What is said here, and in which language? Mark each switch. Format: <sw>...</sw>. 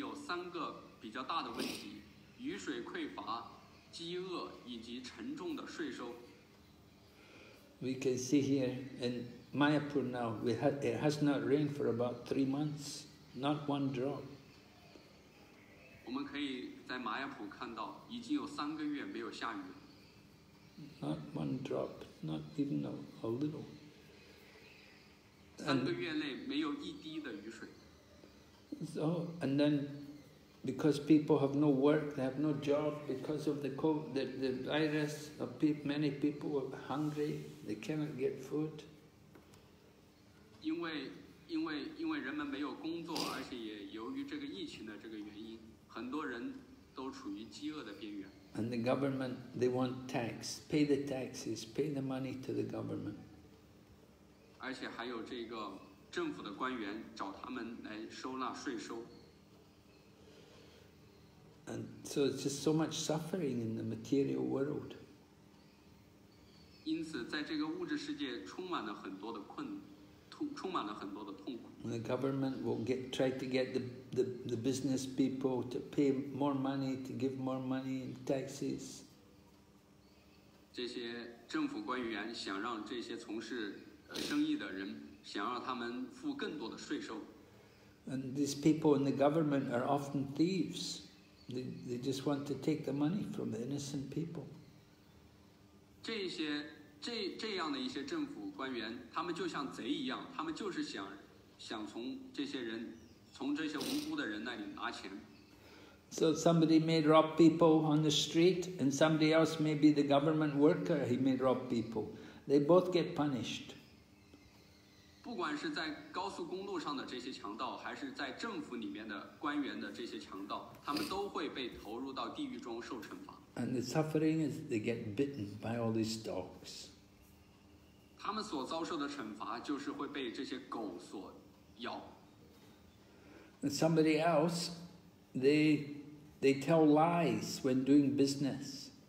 <zh>在卡利年代，人们有三个比较大的问题： 雨水匮乏， 饥饿， 以及沉重的税收。</zh> <en>We can see here in Mayapur now, it has not rained for about 3 months, not one drop.</en> <zh>我们可以在马亚普看到，已经有三个月没有下雨。</zh> <en>Not one drop, not even a little.</en> <zh>三个月内没有一滴的雨水。</zh> <en>So, and then, because people have no work, they have no job, because of the COVID, the virus, many people are hungry, they cannot get food.</en> <zh>因为人们没有工作，而且也由于这个疫情的这个原因，很多人都处于饥饿的边缘。</zh> <en>And the government, they want tax. Pay the taxes. Pay the money to the government.</en> <zh>而且还有这个政府的官员找他们来收纳税收。</zh> <en>And so it's just so much suffering in the material world.</en> <zh>因此，在这个物质世界充满了很多的困难。</zh> <en>The government will try to get the business people to pay more money, to give more money in taxes.</en> <zh>这些政府官员想让这些从事生意的人，想让他们付更多的税收。</zh> <en>And these people in the government are often thieves. They just want to take the money from the innocent people.</en> <zh>这样的一些政府官员，他们就像贼一样，他们就是想从这些人，从这些无辜的人那里拿钱。</zh> <en>So somebody may rob people on the street, and somebody else may be the government worker. He may rob people. They both get punished.</en> <zh>不管是在高速公路上的这些强盗，还是在政府里面的官员的这些强盗，他们都会被投入到地狱中受惩罚。</zh> <en>And the suffering is they get bitten by all these dogs.</en> <zh>他们所遭受的惩罚就是会被这些狗所咬。</zh> <en>And somebody else, they tell lies when doing business.</en>